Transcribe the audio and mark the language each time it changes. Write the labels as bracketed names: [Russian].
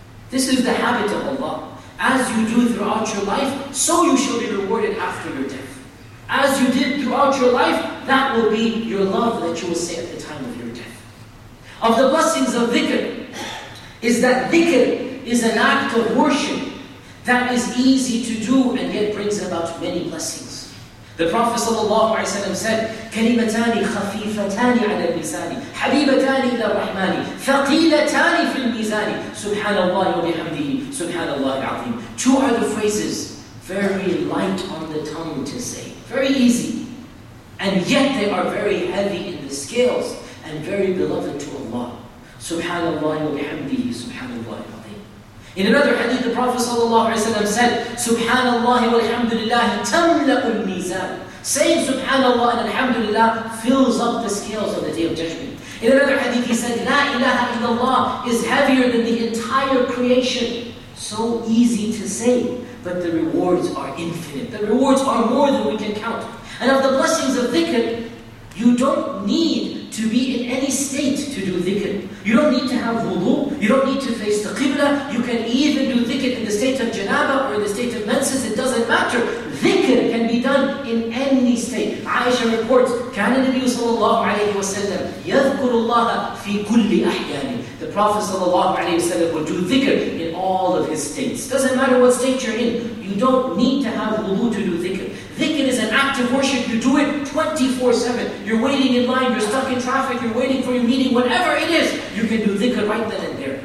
[English] This is the habit of Allah. As you do throughout your life, so you shall be rewarded after your death. As you did throughout your life, that will be your love that you will say at the time of your death. Of the blessings of dhikr, is that dhikr is an act of worship that is easy to do and yet brings about many blessings. The Prophet sallallahu alaihi wasallam said, [Arabic] كَلِمَتَانِ خَفِيفَتَانِ عَلَى الْمِزَانِ حَبِيبَتَانِ إِلَى الرَّحْمَانِ ثَقِيلَتَانِ فِي الْمِزَانِ سُبْحَانَ اللَّهِ وَبِحَمْدِهِ سُبْحَانَ اللَّهِ الْعَظِيمِ. [English] Two are the phrases very light on the tongue to say, very easy, and yet they are very heavy in the scales and very beloved to Allah. [Arabic] Subhanallah wa bihamdihi, subhanallah wa bihamdihi. [English] In another hadith, the Prophet sallallahu alaihi wasallam said, [Arabic] Subhanallah wa alhamdulillah tamla'ul mizan. [English] Saying Subhanallah and Alhamdulillah fills up the scales on the Day of Judgment. In another hadith, he said, [Arabic] La ilaha illallah [English] is heavier than the entire creation. So easy to say, but the rewards are infinite. The rewards are more than we can count. And of the blessings of dhikr, you don't need to be in any state to do dhikr. You don't need to have wudu, you don't need to face the qibla, you can even do dhikr in the state of janaba or in the state of menses, it doesn't matter. Dhikr can be done in any state. Aisha reports, [Arabic] كَانَ النَّبِيُّ صَلَى اللَّهُ عَلَيْهِ وَسَلَّمْ يَذْكُرُ اللَّهَ فِي كُلِّ أَحْيَانِ. [English] The Prophet will do dhikr in all of his states. Doesn't matter what state you're in, you don't need to have wudu to do dhikr. Dhikr is an act of worship, you do it 24-7. You're waiting in line, you're stuck in traffic, you're waiting for your meeting, whatever it is, you can do dhikr right then and there.